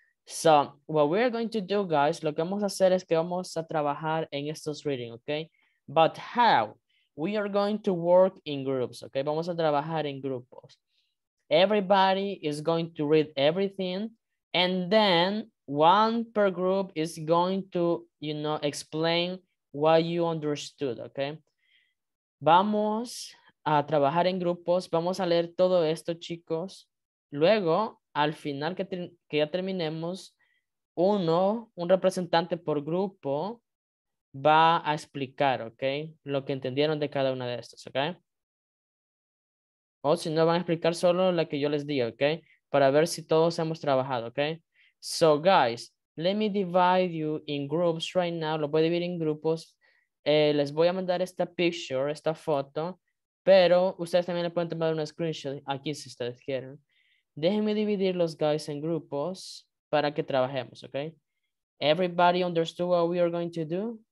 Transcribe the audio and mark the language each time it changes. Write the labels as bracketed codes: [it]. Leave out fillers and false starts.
[en] So what we're going to do, [es] guys, lo que vamos a hacer es que vamos a trabajar en estos readings, okay? [en] But how? We are going to work in groups, okay? [es] Vamos a trabajar en grupos. [en] Everybody is going to read everything. And then one per group is going to, you know, explain what you understood, okay? [es] Vamos a trabajar en grupos, vamos a leer todo esto, chicos. Luego, al final que ya terminemos, un representante por grupo va a explicar, okay, lo que entendieron de cada una de estas, okay? O si no, van a explicar solo la que yo les diga, okay? Para ver si todos hemos trabajado, okay? [en] So, guys, let me divide you in groups right now. [es] Lo voy a dividir en grupos. Les voy a mandar esta picture, esta foto. Pero ustedes también le pueden tomar una screenshot aquí si ustedes quieren. Déjenme dividir los guys en grupos para que trabajemos, ¿ok? [en] Everybody understood what we are going to do?